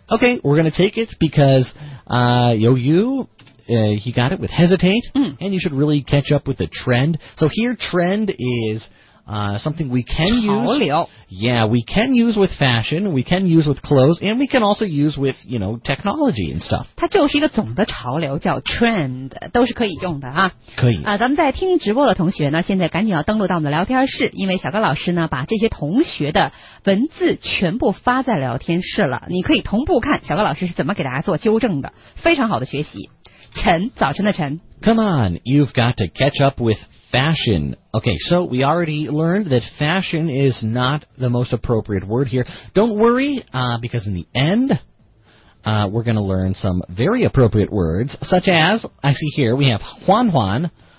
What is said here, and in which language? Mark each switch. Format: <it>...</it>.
<en>Okay, we're going to take it because he got it with hesitate, and you should really catch up with the trend. So here, trend is... something we can use. Yeah, we can use with fashion, we can use with clothes, and we can also use with, you know, technology and stuff.</en> <zh>它就是一个总的潮流叫 trend, 都是可以用的啊。可以。咱们在听直播的同学呢现在赶紧要登录到我们的聊天室，因为小高老师呢把这些同学的文字全部发在聊天室了，你可以同步看小高老师是怎么给大家做纠正的，非常好的学习。晨，早晨的晨。</zh> <en>Come on, you've got to catch up with fashion. Okay, so we already learned that fashion is not the most appropriate word here. Don't worry, because in the end, we're going to learn some very appropriate words, such as, I see here, we have Juan Juan.</en>